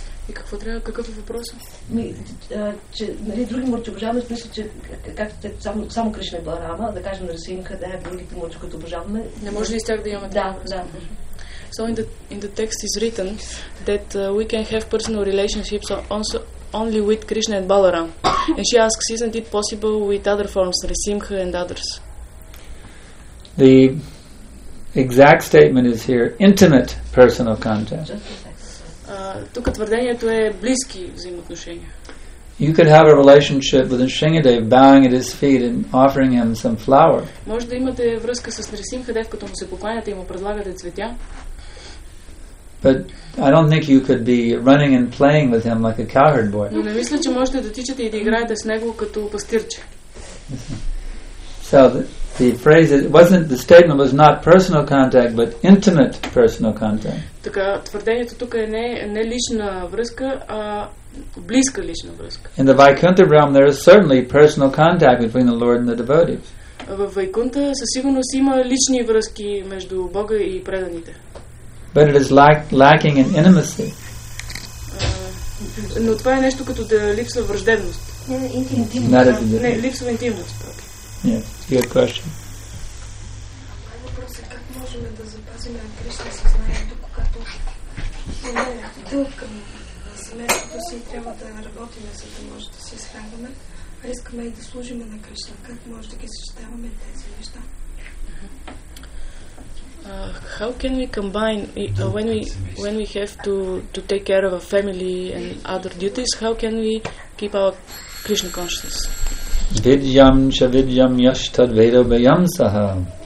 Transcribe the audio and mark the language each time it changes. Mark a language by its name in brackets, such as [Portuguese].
[Bulgarian] И какво трябва, какъв е въпросът? Че нали, други мурти обожаваме, в смисъл, че както те, само Кришна и Баларама, да кажем на Расимха, да е другите мурти, които обожаваме. Не може ли с тях да имаме това? Да. [English] So in the text is written that we can have personal relationships only with Krishna and Balaram. And she asks, isn't it possible with other forms, Расимха and others? The exact statement is here, intimate personal contact. [Bulgarian] Тук твърдението е близки взаимоотношения. [English] You could have a relationship with Nrisimhadev bowing at his feet and offering him some flower. [Bulgarian] Може да имате връзка с Нрисимхадев, като му се покланяте и му предлагате цветя. [English] But I don't think you could be running and playing with him like a cowherd boy. [Bulgarian] Но не мисля, че можете да тичате и да играете с него като пастирче. [English] So the phrase it wasn't the statement was not personal contact but intimate personal contact. [Bulgarian] Така твърдението тук е не лична връзка, а близка лична връзка. [English] In the Vaikuntha realm there is certainly personal contact between the Lord and the devotees. [Bulgarian] Във Вайкунта със сигурност има лични връзки между Бога и преданите. [English] But it is lacking in intimacy. [Bulgarian] Но това е нещо като да липсва враждебност. Не, липсва интимност. [English] Yes, good question. [Bulgarian] Мой въпрос е как можем да запазим Кришна съзнанието, когато идем към семейството си и трябва да работим, за да може да се изхранваме, а искаме и да служим на Кришна. Как може да ги съчетаваме тези неща? [English] How can we combine when we have to take care of our family and other duties, how can we keep our Krishna consciousness? [Sanskrit] Vidyam cha vidyam yashtad vedo bayam saha.